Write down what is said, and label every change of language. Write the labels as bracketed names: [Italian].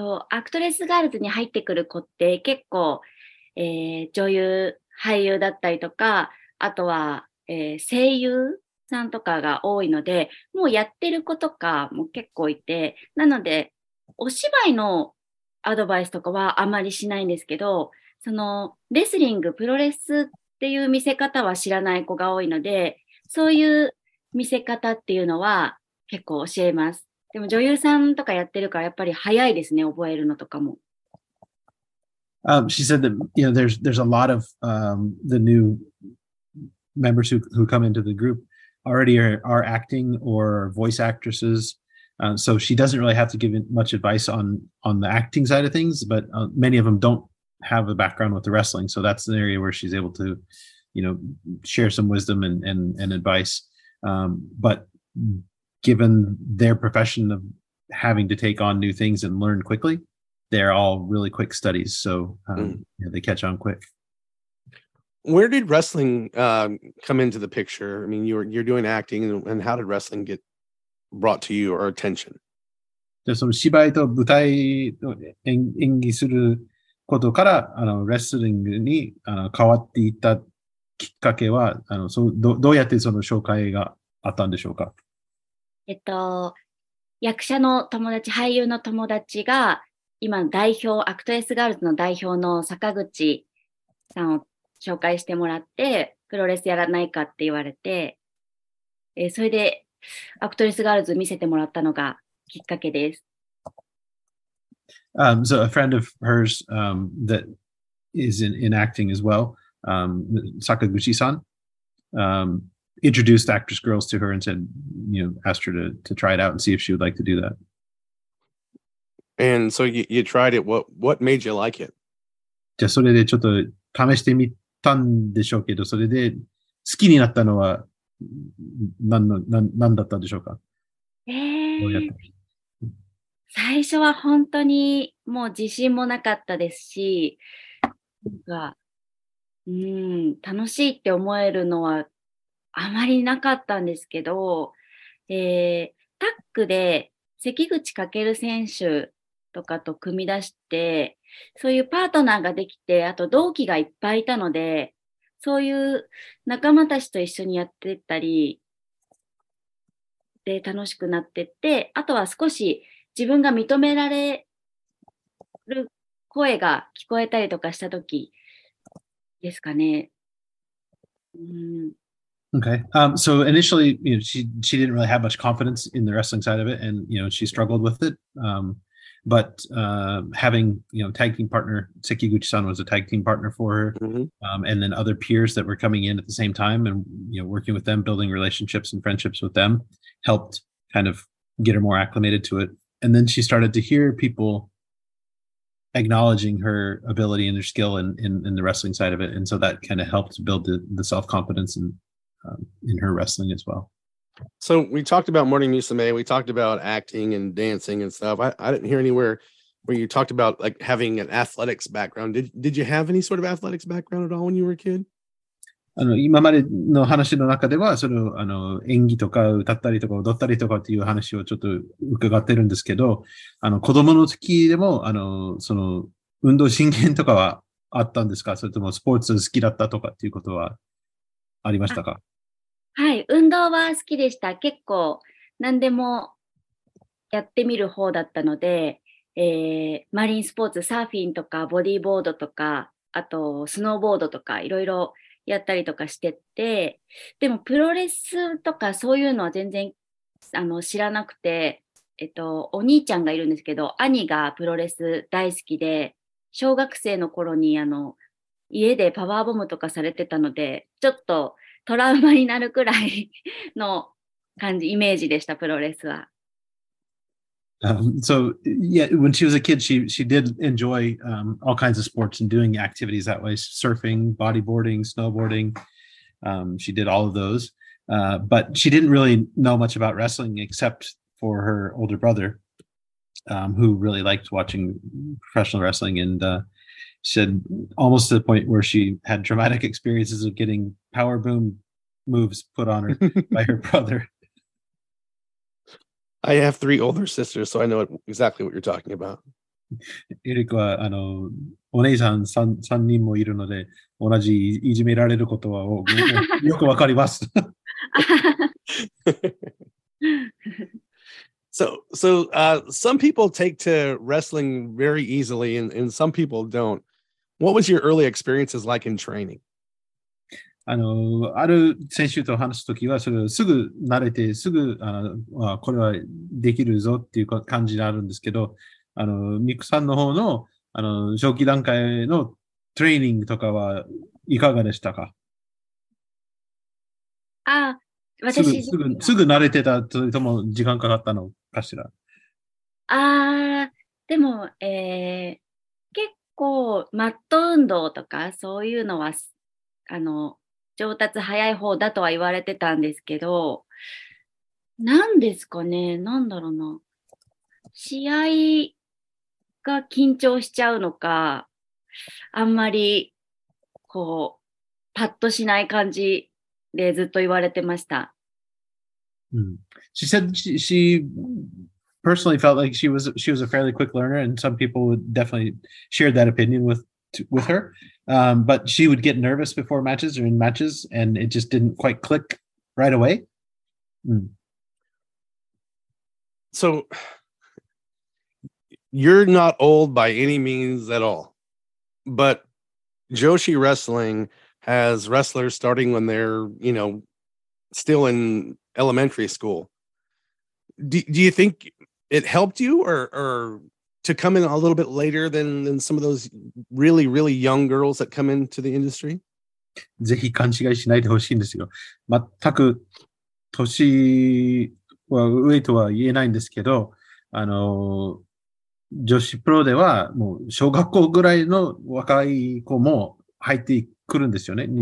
[Japanese] アクトレスガールズに入ってくる子って結構、女優、俳優だったりとか、あとは、声優さんとかが多いので、もうやってる子とかも結構いて、なので、お芝居のアドバイスとかはあまりしないんですけど、その、レスリング、プロレスっていう見せ方は知らない子が多いので、そういう見せ方っていうのは結構教えます。でも女優さんとかやってるからやっぱり早いですね、覚えるのとかも。 [English] She said that, you know, there's a lot of the new members who come into the group already are acting or voice actresses. So she doesn't really have to give much advice on the acting side of things, but many of them don't have a background with the wrestling. So that's an area where she's able to, you know, share some wisdom and advice. But given their profession of having to take on new things and learn quickly, they're all really quick studies. So yeah, they catch on quick. Where did wrestling come into the picture? I mean, you're doing acting, and how did wrestling get brought to you or attention? [Japanese] その芝居と舞台と演技することから、あの、レスリングに、あの、変わっていったきっかけは、あの、どうやってその紹介があったんでしょうか？役者の友達、俳優の友達が、今代表、アクトレスガールズの代表の坂口さんを紹介してもらって、プロレスやらないかって言われて、それでアクトレスガールズ見せてもらったのがきっかけです。 [English] So a friend of hers, that is in acting as well, 坂口さん、introduced Actwres Girls to her and said, you know, asked her to try it out and see if she would like to do that. And so you tried it. What made you like it? [Japanese] じゃあそれでちょっと試してみたんでしょうけど、それで好きになったのは何だったんでしょうか？最初は本当にもう自信もなかったですし、楽しいって思えるのはあまりなかったんですけど、タッグで関口かける選手とかと組み出して、そういうパートナーができて、あと同期がいっぱいいたので、そういう仲間たちと一緒にやってったり、で、楽しくなってって、あとは少し自分が認められる声が聞こえたりとかした時ですかね。 [English] Okay. So initially, you know, she didn't really have much confidence in the wrestling side of it, and you know, she struggled with it. But having, you know, tag team partner, Sekiguchi-san was a tag team partner for her, and then other peers that were coming in at the same time, and you know, working with them, building relationships and friendships with them, helped kind of get her more acclimated to it. And then she started to hear people acknowledging her ability and her skill in the wrestling side of it, and so that kind of helped build the self confidence and in her wrestling as well. So we talked about Morning Musume. We talked about acting and dancing and stuff. I didn't hear anywhere where you talked about like having an athletics background. Did you have any sort of athletics background at all when you were a kid? [Japanese] あの、今までの話の中では、その、あの、演技とか歌ったりとか踊ったりとかっていう話をちょっと伺ってるんですけど、あの、子供の時でも、あの、その、運動神経とかはあったんですか？それともスポーツ好きだったとかっていうことはありましたか？はい、運動は好きでした。結構何でもやってみる方だったので、マリンスポーツ、サーフィンとかボディーボードとか、あとスノーボードとかいろいろやったりとかしてて、でもプロレスとかそういうのは全然知らなくて、お兄ちゃんがいるんですけど、兄がプロレス大好きで、小学生の頃に家でパワーボムとかされてたので、ちょっとトラウマになるくらいの感じ、イメージでした、プロレスは。 [English] So yeah, when she was a kid, she did enjoy all kinds of sports and doing activities that way: surfing, bodyboarding, snowboarding. She did all of those, but she didn't really know much about wrestling except for her older brother, who really liked watching professional wrestling. And she said almost to the point where she had traumatic experiences of getting power boom moves put on her by her brother. I have three older sisters, so I know exactly what you're talking about. [Japanese] エリックはお姉さん 3人もいるので、同じいじめられることはよくわかります。 [English] So some people take to wrestling very easily and some people don't. What was your early experiences like in training? [Japanese] ある選手と話すときは、それをすぐ慣れて、すぐこれはできるぞっていう感じがあるんですけど、ミクさんの方の初期段階のトレーニングとかはいかがでしたか？あ、私すぐ慣れてた、それとも時間かかったのかしら？あ、でも、結構マット運動とかそういうのは上達早い方だとは言われてたんですけど、何ですかね、何だろうな、試合が緊張しちゃうのか、あんまりこうパッとしない感じでずっと言われてました。 [English] うん、she said she personally felt like she was a fairly quick learner, and some people would definitely share that opinion with her. But she would get nervous before matches or in matches, and it just didn't quite click right away. Mm. So you're not old by any means at all, but Joshi wrestling has wrestlers starting when they're, still in elementary school. Do you think it helped you or to come in a little bit later than some of those really, really young girls that come into the industry? [Japanese] ぜひ勘違いしないでほしいんですよ。全く年は上とは言えないんですけど、女子プロではもう小学校ぐらいの若い子も入ってくるんですよね。